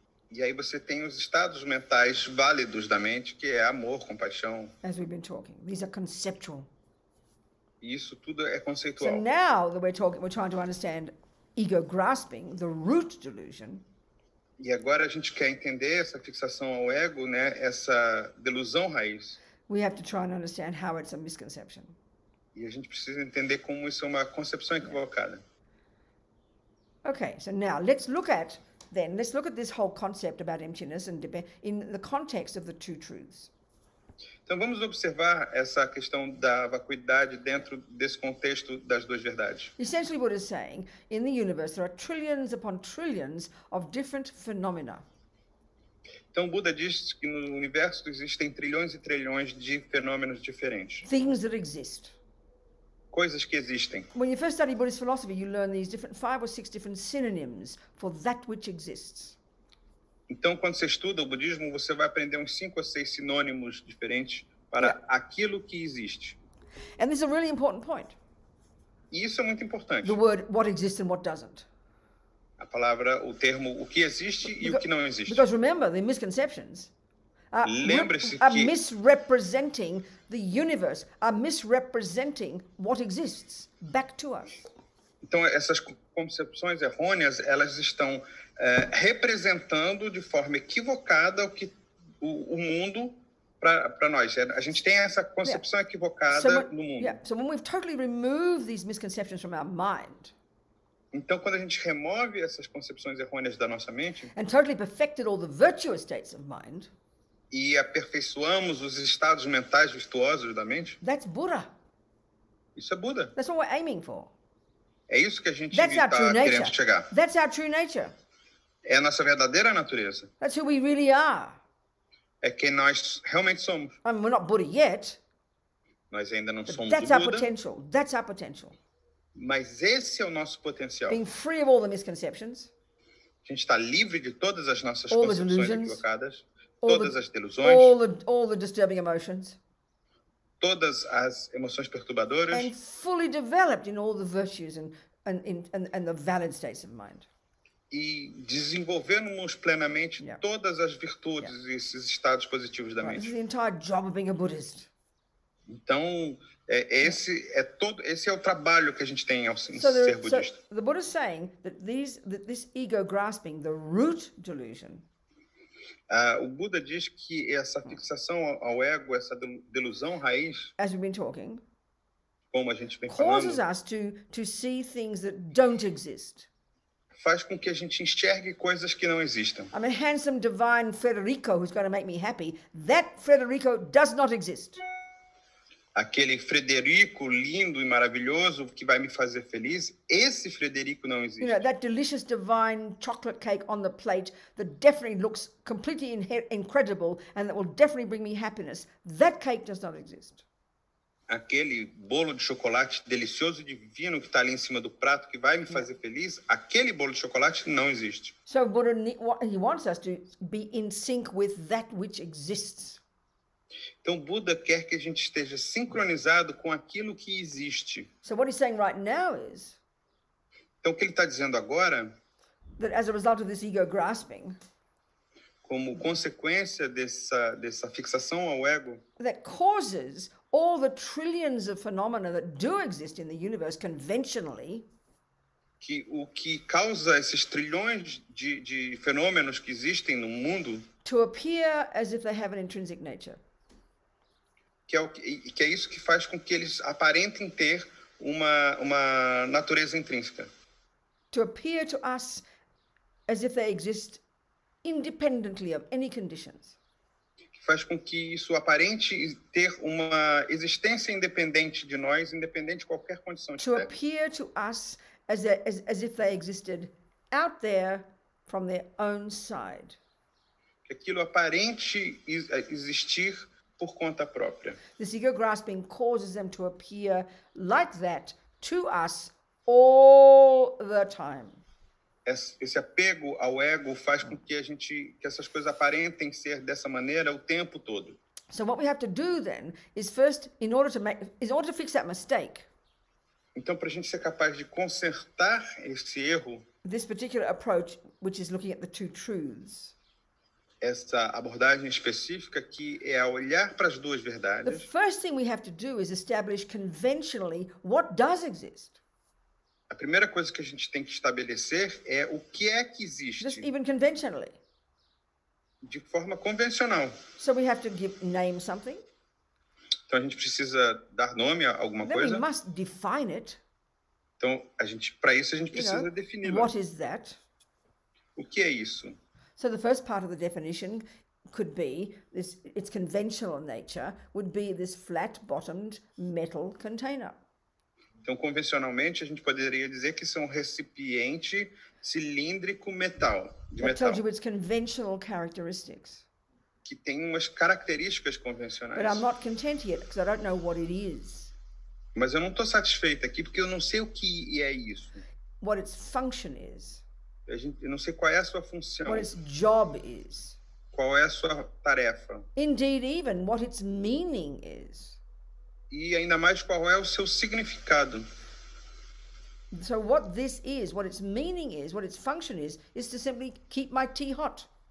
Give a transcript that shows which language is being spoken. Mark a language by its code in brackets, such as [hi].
[pt] E aí você tem os estados mentais válidos da mente, que é amor, compaixão. [en] As we've been talking, these are conceptual. [pt] Isso tudo é conceitual. [en] So now that we're talking, we're trying to understand ego grasping, the root delusion. [pt] E agora a gente quer entender essa fixação ao ego, né? Essa delusão raiz. [en] We have to try and understand how it's a misconception. [pt] E a gente precisa entender como isso é uma concepção equivocada. [en] Okay, so now let's look at this whole concept about emptiness and in the context of the two truths. [pt] Então vamos observar essa questão da vacuidade dentro desse contexto das duas verdades. [en] Essentially, Buddha is saying, in the universe there are trillions upon trillions of different phenomena. [pt] Então Buda diz que no universo existem trilhões e trilhões de fenômenos diferentes. [en] Things that exist. [pt] Coisas que existem. [en] When you first study Buddhist philosophy, you learn these different five or six different synonyms for that which exists. [pt] Então, quando você estuda o budismo, você vai aprender uns 5 ou 6 sinônimos diferentes para aquilo que existe. [en] And this is a really important point. [pt] E isso é muito importante. [en] The word what exists and what doesn't. [pt] A palavra, o termo, o que existe e o que não existe. [en] Because remember, the misconceptions are misrepresenting the universe, are misrepresenting what exists back to us. [pt] Então, essas concepções errôneas, elas estão representando de forma equivocada o mundo para nós. A gente tem essa concepção equivocada no mundo. [en] So when we've totally removed these misconceptions from our mind, [pt] então quando a gente remove essas concepções errôneas da nossa mente, [en] and totally perfected all the virtuous states of mind, [pt] e aperfeiçoamos os estados mentais virtuosos da mente, [en] that's Buddha. [pt] Isso é Buda. [en] That's what we're aiming for. [pt] É isso que a gente está querendo chegar. [en] That's our true nature. [pt] É a nossa verdadeira natureza. [en] That's who we really are. [pt] É quem nós realmente somos. [en] I mean, we're not Buddha yet. [pt] Nós ainda não somos Buda. [en] That's our potential. That's our potential. [pt] Mas esse é o nosso potencial. [en] Being free of all the misconceptions. [pt] A gente está livre de todas as nossas concepções equivocadas. Todas as delusões. [en] All the disturbing emotions. [pt] Todas as emoções perturbadoras. [en] And fully developed in all the virtues and the valid states of mind. [pt] E desenvolvendo-nos plenamente todas as virtudes e esses estados positivos da mente. [en] This is the entire job of being a Buddhist. [pt] Então, esse é o trabalho que a gente tem ao ser budista. [en] So the Buddha is saying that this ego grasping, the root delusion. [pt] O Buddha diz que essa fixação ao ego, essa delusão raiz, [en] as we've been talking, [pt] como a gente vem [en] causes [pt] falando, [en] us to see things that don't exist. [pt] Faz com que a gente enxergue coisas que não existam. [en] I'm a handsome divine Frederico who's going to make me happy. That Frederico does not exist. [pt] Aquele Frederico lindo e maravilhoso que vai me fazer feliz, esse Frederico não existe. [en] You know, that delicious divine chocolate cake on the plate that definitely looks completely incredible and that will definitely bring me happiness, that cake does not exist. [pt] Aquele bolo de chocolate delicioso e divino que está ali em cima do prato que vai me fazer feliz, aquele bolo de chocolate não existe. [en] So Buddha, he wants us to be in sync with that which exists. [pt] Então Buda quer que a gente esteja sincronizado com aquilo que existe. [en] So what he's saying right now is, [pt] então o que ele está dizendo agora, [en] that as a result of this ego grasping, [pt] como consequência dessa fixação ao ego, [en] that causes all the trillions of phenomena that do exist in the universe conventionally, [pt] que o que causa esses trilhões de fenômenos que existem no mundo, [en] to appear as if they have an intrinsic nature. [pt] Que é isso que faz com que eles aparentem ter uma natureza intrínseca. [en] To appear to us as if they exist independently of any conditions. [pt] Que faz com que isso aparente ter uma existência independente de nós, independente de qualquer condição. [en] To appear to us as if they existed out there from their own side. [pt] Que aquilo aparente existir por conta própria. [en] This ego grasping causes them to appear like that to us all the time. [pt] Esse apego ao ego faz com que a gente que essas coisas aparentem ser dessa maneira o tempo todo. [en] So what we have to do then is first in order to fix that mistake. [pt] Então para a gente ser capaz de consertar esse erro. [en] This particular approach, which is looking at the two truths. [pt] Essa abordagem específica que é olhar para as duas verdades. [en] The first thing we have to do is establish conventionally what does exist. [pt] A primeira coisa que a gente tem que estabelecer é o que é que existe. [en] Just even conventionally. [pt] De forma convencional. [en] So we have to name something. [pt] Então a gente precisa dar nome a alguma [en] then [pt] coisa. [en] We must define it. [pt] Então para isso a gente precisa defini-lo. [en] What is that? [pt] O que é isso? [en] So the first part of the definition could be this, its conventional nature would be this flat-bottomed metal container. [pt] Então, convencionalmente, a gente poderia dizer que isso é um recipiente cilíndrico metal. [en] Tells you its conventional characteristics. [pt] Que tem umas características convencionais. [en] But I'm not content yet, because I don't know what it is. [pt] Mas eu não estou satisfeito aqui, porque eu não sei o que é isso. [en] What its function is. [pt] Eu não sei qual é a sua função. [en] What its job is. [pt] Qual é a sua tarefa. [en] Indeed, even what its meaning is. [pt] E ainda mais qual é o seu significado. [en] So what this is, what its meaning is, what its function is to simply keep my tea hot.